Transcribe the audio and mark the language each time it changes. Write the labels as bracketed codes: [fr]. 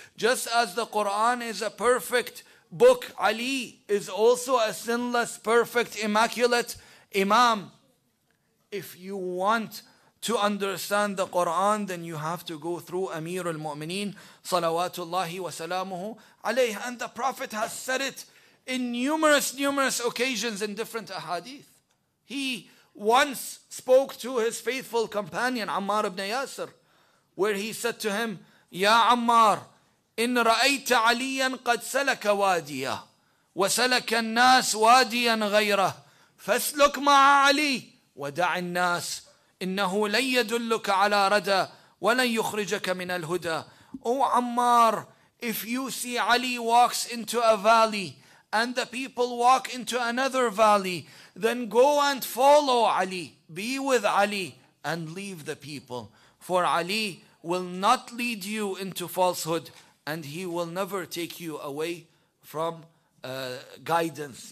[en] Just as the Quran is a perfect book, Ali is also a sinless, perfect, immaculate Imam. If you want to understand the Quran, then you have to go through Amir al-Mu'mineen salawatullahi wa salamuhu alayhi. And the Prophet has said it in numerous occasions in different ahadith. He once spoke to his faithful companion Ammar ibn Yasir, where he said to him, [ar] Ya Ammar, إن رأيت عليا قد سلك واديا وسلك الناس واديا غيره فاسلك مع علي ودع الناس إنه لن يدلك على ردى ولن يخرجك من الهدى. [en] O Ammar, if you see Ali walks into a valley and the people walk into another valley, then go and follow Ali, be with Ali, and leave the people, for Ali will not lead you into falsehood, and he will never take you away from guidance.